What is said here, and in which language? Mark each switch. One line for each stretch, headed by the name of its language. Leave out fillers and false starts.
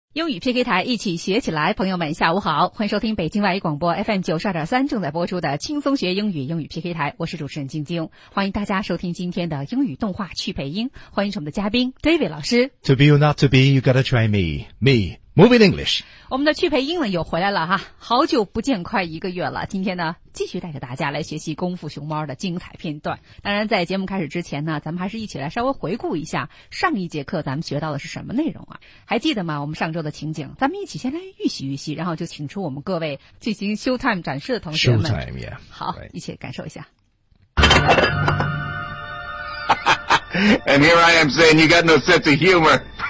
Chinese: 英语 PK 台一起学起来，朋友们下午好，欢迎收听北京外语广播 FM92.3 正在播出的轻松学英语英语 PK 台，我是主持人晶晶，欢迎大家收听今天的英语动画去配音，欢迎我们的嘉宾 David 老师。
English: To be or not to be, you gotta try me, me, moving English.
Chinese: 我们的去配音呢又回来了哈，好久不见，快一个月了，今天呢继续带着大家来学习功夫熊猫的精彩片段。当然在节目开始之前呢，咱们还是一起来稍微回顾一下上一节课咱们学到的是什么内容啊。还记得吗？我们上周的情景，咱们一起先来预习预习，然后就请出我们各位进行 showtime 展示的同学们。
English: Showtime, yeah.
Chinese: 好，一起感受一下。
English: And here I am saying you got no sense of humor.